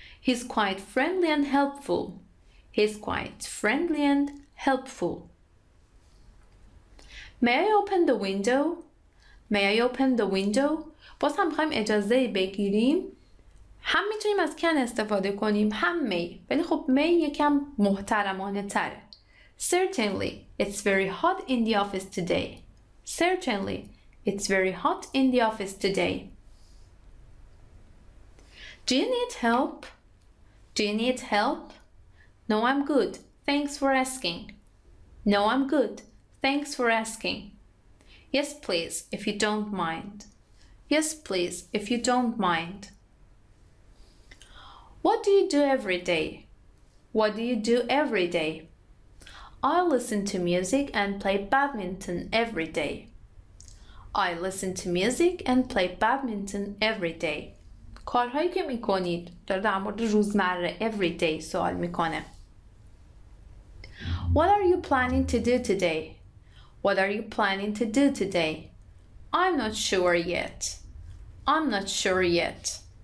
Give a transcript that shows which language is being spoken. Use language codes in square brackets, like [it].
[en] He's quite friendly and helpful. He's quite friendly and helpful. May I open the window? May I open the window? [fa] باز هم میخواییم اجازه بگیریم. هم میتونیم از کن استفاده کنیم، هم می. ولی خب می یکم محترمانه تره. [en] Certainly, it's very hot in the office today. Certainly, it's very hot in the office today. Do you need help? Do you need help? No, I'm good. Thanks for asking. No, I'm good. Thanks for asking. Yes, please, if you don't mind. Yes, please, if you don't mind. What do you do every day? What do you do every day? I listen to music and play badminton every day. I listen to music and play badminton every day. [fa] کارهایی که میکنید داره در مورد روزمره [en] every day [fa] سوال میکنه. [en] What are you planning to do today? What are you planning to do today? I'm not sure yet. I'm not sure yet.